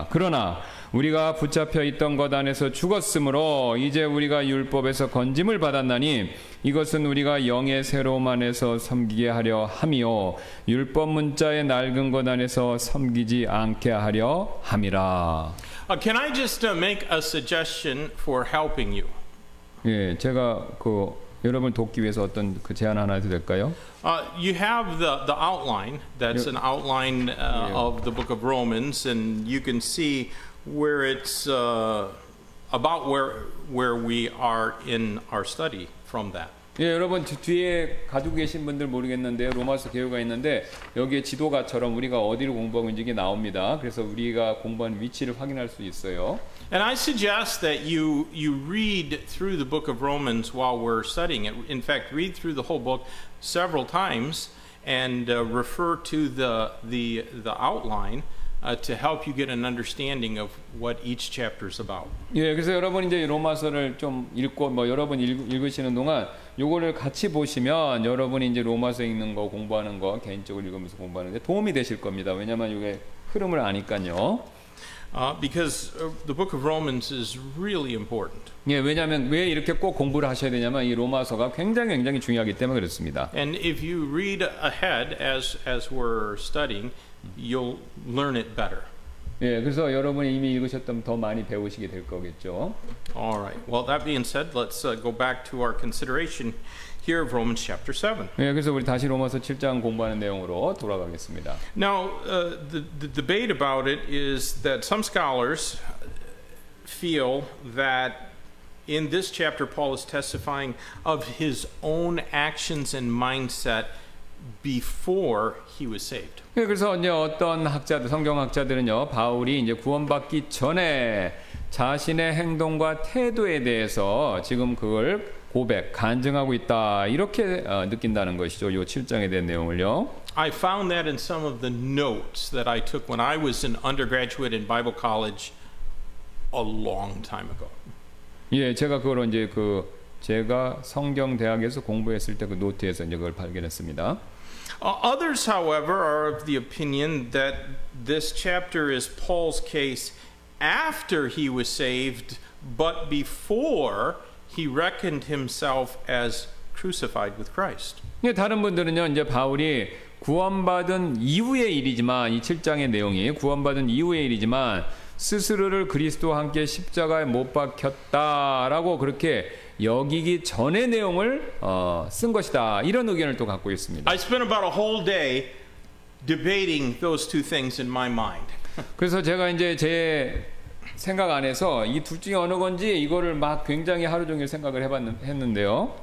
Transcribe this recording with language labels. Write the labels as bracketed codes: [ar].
[ko] 그러나 우리가 붙잡혀 있던 것 안에서 죽었으므로 이제 우리가 율법에서 건짐을 받았나니 이것은 우리가 영의 새로움 안에서 섬기게 하려 함이요 율법 문자의 낡은 것 안에서 섬기지 않게 하려 함이라. [en] Can I just make a suggestion for helping you? [ko] 예, 제가 그 여러분 돕기 위해서 어떤 그 제안 하나 해도 될까요? [en] You have the outline. That's an outline of the book of Romans and you can see where it's about where we are in our study from that. [ko] 예, 여러분 뒤에 가지고 계신 분들 모르겠는데 로마서 개요가 있는데 여기에 지도가처럼 우리가 어디를 공부하고 있는지 이게 나옵니다. 그래서 우리가 공부한 위치를 확인할 수 있어요. [en] And I suggest that you read through the book of Romans while we're studying it. In fact, read through the whole book several times and refer to the outline. To help you get an understanding of what each chapter is about. [ko] 예, 그래서 여러분 이제 로마서를 좀 읽고 뭐 여러분 읽으시는 동안 요거를 같이 보시면 여러분이 이제 로마서 읽는 거 공부하는 거 개인적으로 읽으면서 공부하는 데 도움이 되실 겁니다. 왜냐면 요게 흐름을 아니까요. [en] Because the book of Romans is really important. [ko] 예, 왜냐하면 왜 이렇게 꼭 공부를 하셔야 되냐면 이 로마서가 굉장히 굉장히 중요하기 때문에 그렇습니다. [en] And if you read ahead as we're studying, you'll learn it better. [ko] 예, 그래서 여러분이 이미 읽으셨던 더 많이 배우시게 될 거겠죠. [en] All right. Well, that being said, let's go back to our consideration here of Romans chapter 7. [ko] 예, 그래서 우리 다시 로마서 7장 공부하는 내용으로 돌아가겠습니다. [en] Now, the debate about it is that some scholars feel that in this chapter Paul is testifying of his own actions and mindset before he was saved. [ko] 예, 그래서 이제 어떤 학자들, 성경학자들은요, 바울이 이제 구원받기 전에 자신의 행동과 태도에 대해서 지금 그걸 고백, 간증하고 있다 이렇게 느낀다는 것이죠. 요 7장에 대한 내용을요. [en] I found that in some of the notes that I took when I was an undergraduate in Bible college a long time ago. [ko] 예, 제가 그걸 이제 그 제가 성경대학에서 공부했을 때 그 노트에서 이제 그걸 발견했습니다. [en] Others, however, are of the opinion that this chapter is Paul's case after he was saved, but before he reckoned himself as crucified with Christ. [ko] 예, 다른 분들은요, 이제 바울이 구원받은 이후의 일이지만 이 7장의 내용이 구원받은 이후의 일이지만 스스로를 그리스도와 함께 십자가에 못 박혔다라고 그렇게 여기기 전의 내용을 쓴 것이다 이런 의견을 또 갖고 있습니다. [en] I spent about a whole day debating those two things in my mind. [ko] 그래서 제가 이제 제 생각 안에서 이 둘 중에 어느 건지 이거를 막 굉장히 하루 종일 생각을 했는데요.